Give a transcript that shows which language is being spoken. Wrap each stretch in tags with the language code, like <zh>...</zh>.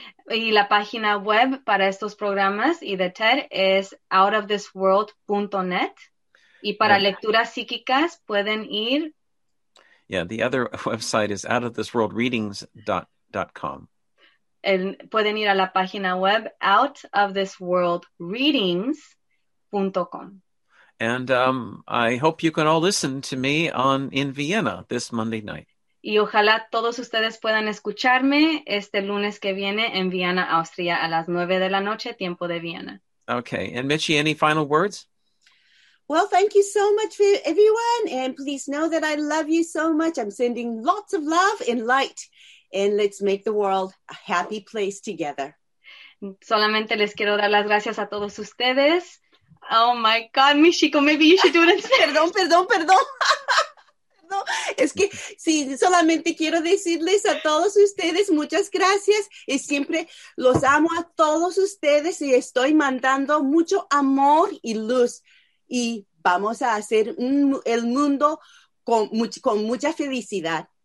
<es>Y la página web para estos programas y de TED es outofthisworld.net. Y para lecturas psíquicas pueden ir.</es> <en>Yeah, the other website is outofthisworldreadings.com.</en> <es>Pueden ir a la página web outofthisworldreadings.com.</es> <en>And I hope you can all listen to me in Vienna this Monday night.</en> <es>Y ojalá todos ustedes puedan escucharme este lunes que viene en Viena, Austria, a las 9 de la noche, tiempo de Viena.</es> <en>Okay. And Michi, any final words? Well, thank you so much, everyone. And please know that I love you so much. I'm sending lots of love and light. And let's make the world a happy place together.</en> <es>Solamente les quiero dar las gracias a todos ustedes.</es> <en>Oh, my God, mi chico, maybe you should do it.</en> <es>Perdón. No, es que sí, solamente quiero decirles a todos ustedes muchas gracias y siempre los amo a todos ustedes y estoy mandando mucho amor y luz y vamos a hacer el mundo con mucha felicidad.</es>